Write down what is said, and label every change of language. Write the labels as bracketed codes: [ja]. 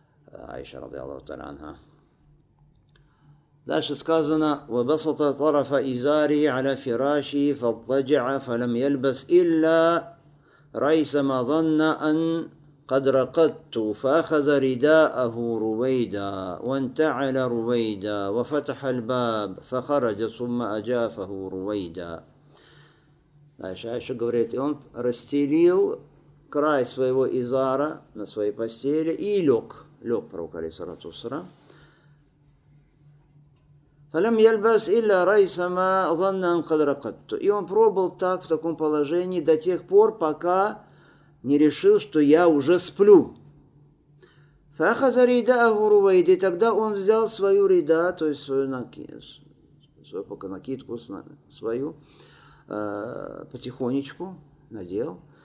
[ar] Айша радиаллаху та'аля анха. [ru] Дальше сказано: [ar] «Вабасата тарафа изари аля фираши фаттаджа фалам ялбас илля райса ма занна ан قد رقدت فأخذ رداءه رويدا وانتعل رويدا وفتح الباب فخرج ثم أجافه رويدا. [ru] Айша говорит, и он расстелил край своего изара на своей постели и лег пророк алейхиссалату вассалям. [ar] فلم يلبس إلا ريثما ظن أن قد رقدت. [ru] И он пробыл так, в таком положении, до тех пор, пока не решил, что я уже сплю. И тогда он взял свою рида, то есть свою накидку, свою потихонечку надел.